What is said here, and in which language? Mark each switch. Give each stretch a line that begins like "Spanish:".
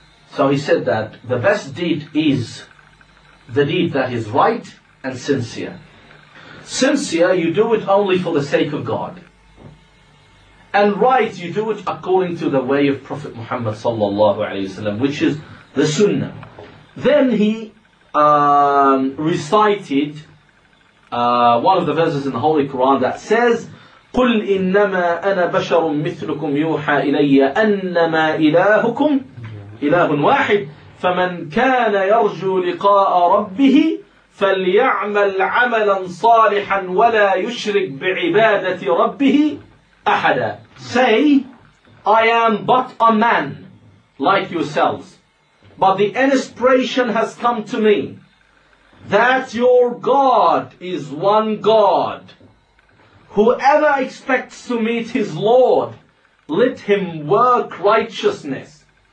English: So he said that the best deed is the deed that is right and sincere. Sincere, you do it only for the sake of God. And right, you do it according to the way of Prophet Muhammad sallallahu alayhi wasallam, which is the Sunnah. Then he recited one of the verses in the Holy Quran that says,
Arabic: قُلْ إِنَّمَا أَنَا بَشَرٌ مِثْلُكُمْ يُوحَى إِلَيَّ أَنَّمَا إِلَهُكُمْ إِلَهٌ وَاحِدٌ فَمَنْ كَانَ يَرْجُو لِقَاءَ رَبِّهِ فَلْيَعْمَلْ عَمَلًا صَالِحًا وَلَا يُشْرِكْ بِعِبَادَةِ رَبِّهِ أَحَدًا.
English: Say, I am but a man like yourselves, but the inspiration has come to me that your God is one God. Whoever expects to meet his Lord, let him work righteousness.